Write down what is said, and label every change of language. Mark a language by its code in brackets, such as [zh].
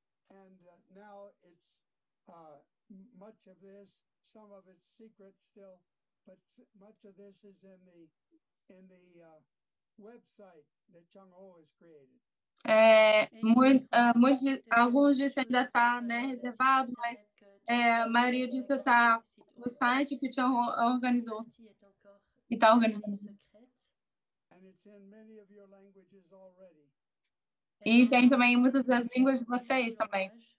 [pt] E agora é muito disso, alguns de seus secretos ainda. [en] But much of this is in the website that Chung Ho has created. [pt] Alguns disso ainda está, né, reservado, mas a maioria disso está no site que Chung Ho organizou. Está organizado. [en] And it's in many of your languages already. [pt] E tem também muitas das línguas de vocês também.